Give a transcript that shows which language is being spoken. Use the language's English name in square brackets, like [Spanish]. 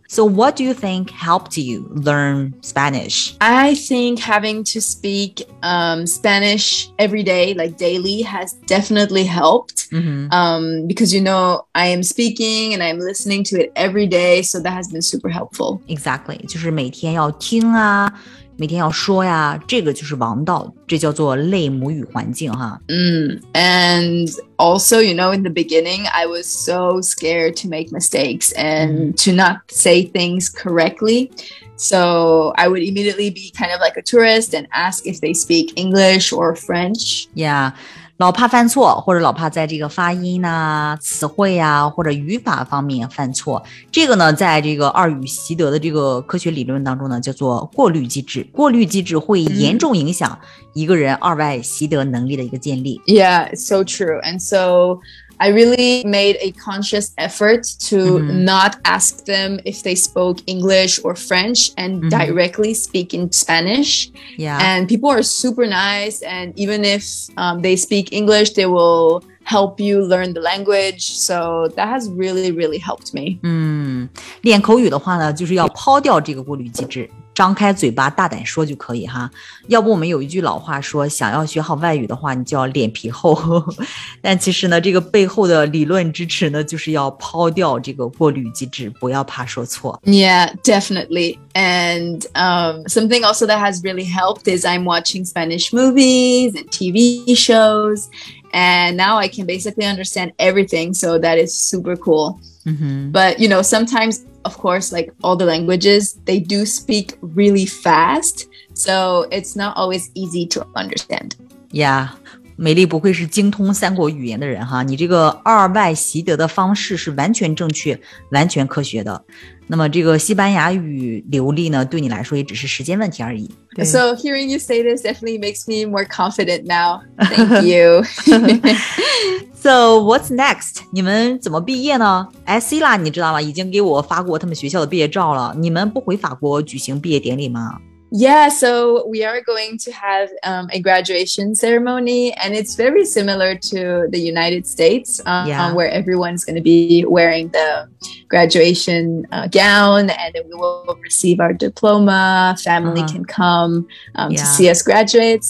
[English] So what do you think helped you learn Spanish? I think having to speak Spanish every day, like daily, has definitely helped. Because, you know, I am speaking and I'm listening to it every day, so that has been super helpful. [Chinese] Exactly. 就是每天要听啊。每天要说呀，这个就是王道，这叫做类母语环境哈。 [English] And also, you know, in the beginning, I was so scared to make mistakes and to not say things correctly. So I would immediately be kind of like a tourist and ask if they speak English or French. [Chinese] Yeah, 老怕犯错，或者老怕在这个发音啊、词汇啊或者语法方面犯错。这个呢，在这个二语习得的这个科学理论当中呢，叫做过滤机制。过滤机制会严重影响一个人二外习得能力的一个建立。 [English] Yeah, so true. And so I really made a conscious effort to not ask them if they spoke English or French and directly speak in Spanish. Yeah. And people are super nice. And even if they speak English, they will help you learn the language. So that has really, really helped me. [Chinese] 练口语的话呢，就是要抛掉这个过滤机制。张开嘴巴大胆说就可以哈，要不我们有一句老话说，想要学好外语的话你就要脸皮厚，但其实呢这个背后的理论支持呢就是要抛掉这个过滤机制，不要怕说错。 [English] Yeah, definitely. And something also that has really helped is I'm watching Spanish movies and TV shows and now I can basically understand everything, so that is super cool. But you know, sometimesOf course, like all the languages, they do speak really fast. So it's not always easy to understand. Yeah, [Chinese] 美丽不愧是精通三国语言的人哈，你这个二外习得的方式是完全正确完全科学的。那么这个西班牙语流利呢，对你来说也只是时间问题而已。 [English] So hearing you say this definitely makes me more confident now. Thank you. So what's next? [Chinese] 你们怎么毕业呢？哎 ，Sila， 你知道吗？已经给我发过他们学校的毕业照了。你们不回法国举行毕业典礼吗？ [English] Yeah, so we are going to have a graduation ceremony, and it's very similar to the United States, where everyone's going to be wearing the graduation gown, and then we will receive our diploma, family can come to see us graduate.